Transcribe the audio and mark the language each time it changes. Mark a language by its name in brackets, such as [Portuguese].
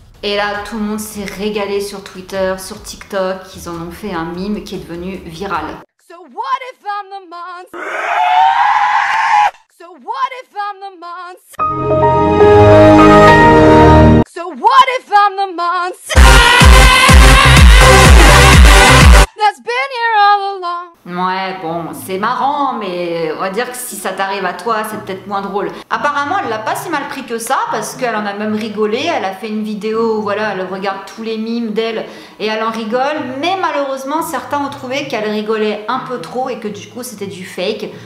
[French] Et là, tout le monde s'est régalé sur Twitter, sur TikTok. Ils en ont fait un mime qui est devenu viral. [English] So what if I'm the monster? So what if I'm the monster? So what if I'm the monster? That's been here all along. [French] Ouais, bon, c'est marrant, mais on va dire que si ça t'arrive à toi, c'est peut-être moins drôle. Apparemment, elle l'a pas si mal pris que ça, parce qu'elle en a même rigolé. Elle a fait une vidéo où voilà, elle regarde tous les mimes d'elle et elle en rigole. Mais malheureusement, certains ont trouvé qu'elle rigolait un peu trop et que du coup, c'était du fake.